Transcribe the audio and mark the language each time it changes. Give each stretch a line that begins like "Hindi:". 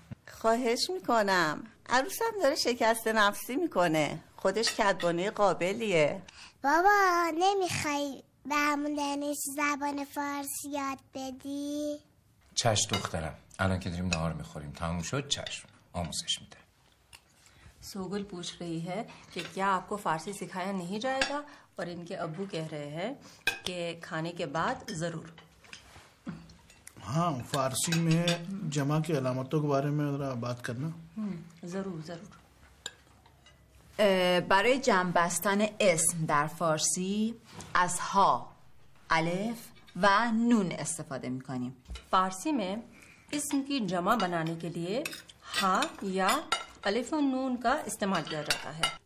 Persian: خواهش میکنم، عروسم داره شکست نفسی میکنه، خودش کدبانه قابلیه. بابا نمیخوای برمون دانش زبان فارسی یاد بدی؟ چشم دخترم، الان که داریم نهار میخوریم، تموم شد چشم آموزش میده.
Urdu: سوگل پوچھ رہی ہے کہ کیا آپ کو فارسی سکھایا نہیں جائے گا اور ان کے ابو کہہ رہے ہیں کہ کھانے کے بعد ضرور. ہاں فارسی میں جمع کی علامتوں کے بارے میں ذرا بات کرنا. ضرور ضرور.
Persian: برای جمع بستن اسم در فارسی از ها، الف و نون استفاده میکنیم.
Urdu: فارسی میں اسم کی جمع بنانے کے لیے ہا یا الف و نون کا استعمال کیا جاتا ہے.